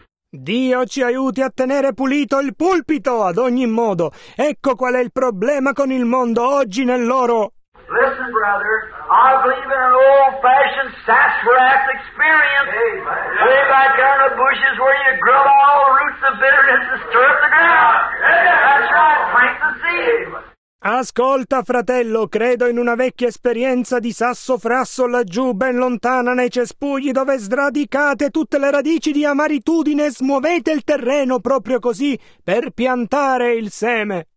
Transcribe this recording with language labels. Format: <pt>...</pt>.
<it>Dio ci aiuti a tenere pulito il pulpito ad ogni modo. Ecco qual è il problema con il mondo oggi nell'oro.</it> <en>Listen, brother, I believe in an old-fashioned sassafras experience. Amen. Way back there in the bushes where you grow all the roots of bitterness and stir up the ground. Amen. That's right, plant the seed.</en> <it>Ascolta, fratello, credo in una vecchia esperienza di sassofrasso laggiù, ben lontana nei cespugli, dove sradicate tutte le radici di amaritudine e smuovete il terreno proprio così per piantare il seme.</it>